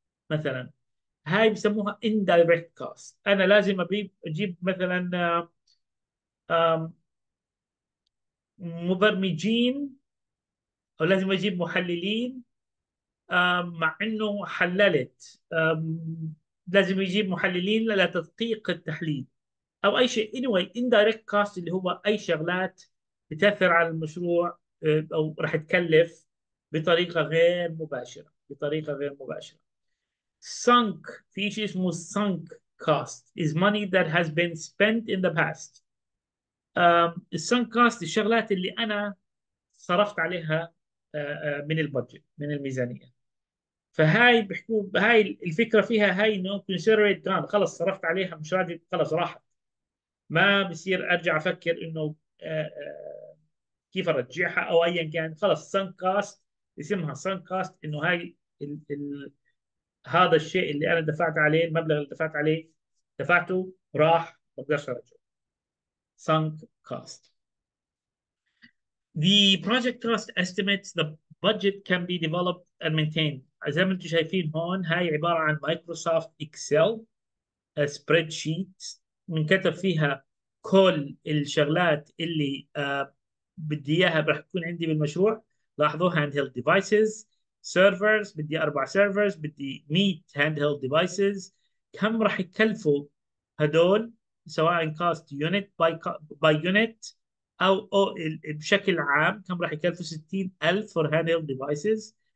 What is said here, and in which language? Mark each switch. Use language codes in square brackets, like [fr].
[ar] مثلا هاي بسموها indirect cost، انا لازم اجيب مثلا مبرمجين او لازم اجيب محللين مع انه حللت، لازم يجيب محللين لتدقيق التحليل او اي شيء. anyway indirect cost اللي هو اي شغلات بتاثر على المشروع او راح تكلف بطريقه غير مباشره، بطريقه غير مباشره. [en] sunk، [ar] في شيء اسمه [en] sunk cost is money that has been spent in the past. [ar] sunk cost الشغلات اللي أنا صرفت عليها من البادجت من الميزانية. فهاي بحكوا هاي الفكرة فيها هاي إنه [en] consider it done، [ar] خلص صرفت عليها مش راضي خلص راحت، ما بصير أرجع أفكر إنه كيف أرجعها أو أيا كان. خلص sunk cost اسمها sunk cost، إنه هاي هذا الشيء اللي انا دفعت عليه، المبلغ اللي دفعت عليه دفعته راح ما بقدرش ارجعه. [en] sunk cost. The project cost estimates the budget can be developed and maintained. [ar] زي ما انتم شايفين هون هاي عباره عن مايكروسوفت اكسل سبريد شيت منكتب فيها كل الشغلات اللي بدي اياها راح تكون عندي بالمشروع. لاحظوا هاند هيلد ديفايسز سيرفرز، بدي 4 سيرفرز، بدي 100 هاند هيلد ديفايسز، كم راح يكلفوا هدول سواء كاست يونت باي يونت او بشكل عام، كم راح يكلفوا؟ 60,000 [en] Four handheld devices.